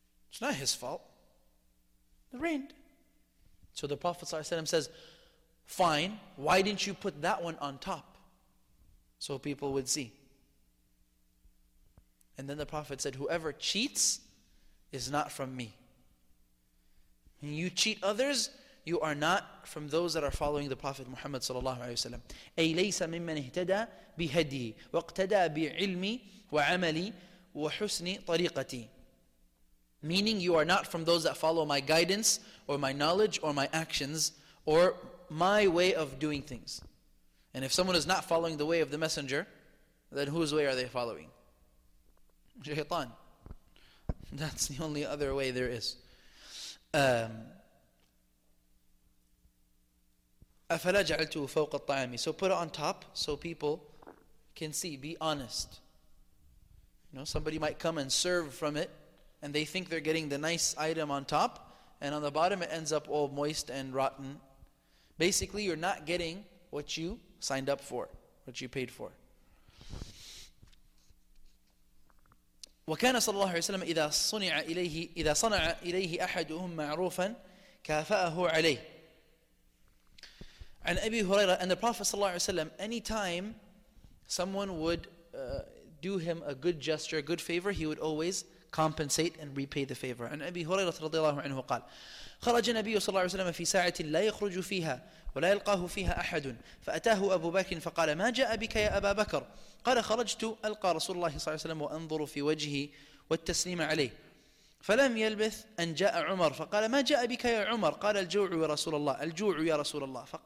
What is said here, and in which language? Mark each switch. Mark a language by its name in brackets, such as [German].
[English] It's not his fault. It rained. So the Prophet ﷺ says, fine, why didn't you put that one on top so people would see? And then the Prophet said, whoever cheats is not from me. When you cheat others, you are not from those that are following the Prophet Muhammad sallallahu alaihi wasallam. [Arabic] أي ليس ممن اهتدى بهدي واقتدى بعلمي وعملي وحسن طريقتي. [English] Meaning you are not from those that follow my guidance or my knowledge or my actions or my way of doing things. And if someone is not following the way of the messenger, then whose way are they following? Shaytan. That's the only other way there is. [Arabic] أَفَلَا جَعَلْتُهُ فَوْقَ الطَّعَامِ. [English] So put it on top so people can see. Be honest. You know, somebody might come and serve from it and they think they're getting the nice item on top, and on the bottom it ends up all moist and rotten. Basically, you're not getting what you signed up for, what you paid for. [Arabic] وكان صلى الله عليه وسلم إذا صنع إليه إذا صنع إليه أحدهم معروفا كافأه عليه. عن أبي هريرة. [English] And the Prophet [Arabic] صلى الله عليه وسلم, [English] anytime someone would do him a good gesture, a good favor, he would always compensate and repay the favor. [Arabic] عن أبي هريرة رضي الله عنه قال خرج النبي صلى الله عليه وسلم في ساعة لا يخرج فيها ولا يلقاه فيها أحد فأتاه أبو بكر فقال ما جاء بك يا أبا بكر؟ قال خرجت ألقى رسول الله صلى الله عليه وسلم وأنظر في وجهه والتسليم عليه فلم يلبث أن جاء عمر فقال ما جاء بك يا عمر؟ قال الجوع يا رسول الله, الجوع يا رسول الله.